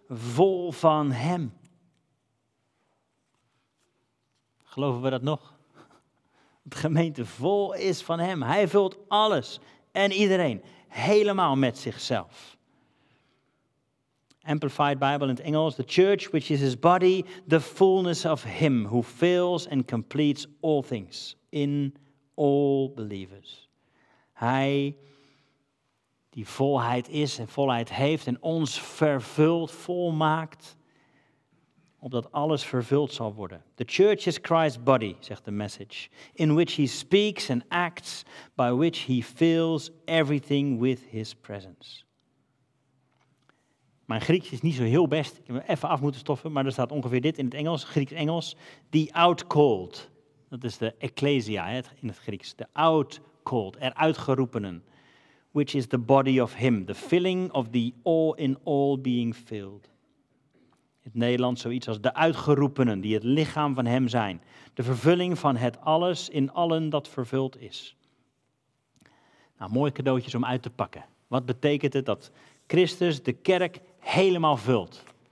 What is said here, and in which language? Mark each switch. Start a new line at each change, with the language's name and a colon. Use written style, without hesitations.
Dutch: vol van Hem. Geloven we dat nog? De gemeente vol is van Hem. Hij vult alles en iedereen helemaal met zichzelf. Amplified Bible in het Engels.
English: The church which is His body, the fullness of Him who fills and completes all things in all believers.
Dutch: Hij die volheid is en volheid heeft en ons vervult, volmaakt, opdat alles vervuld zal worden.
English: The church is Christ's body,
Dutch: zegt de message,
English: in which He speaks and acts, by which He fills everything with His presence.
Dutch: Mijn Grieks is niet zo heel best, ik heb me even af moeten stoffen, maar er staat ongeveer dit in het Engels, Grieks-Engels.
English: The outcalled,
Dutch: dat is de ecclesia in het Grieks,
English: the outcalled,
Dutch: eruitgeroepenen.
English: Which is the body of Him, the filling of the all in all being filled.
Dutch: In het Nederlands zoiets als de uitgeroepenen die het lichaam van Hem zijn. De vervulling van het alles in allen dat vervuld is. Nou, mooie cadeautjes om uit te pakken. Wat betekent het dat Christus de kerk helemaal vult?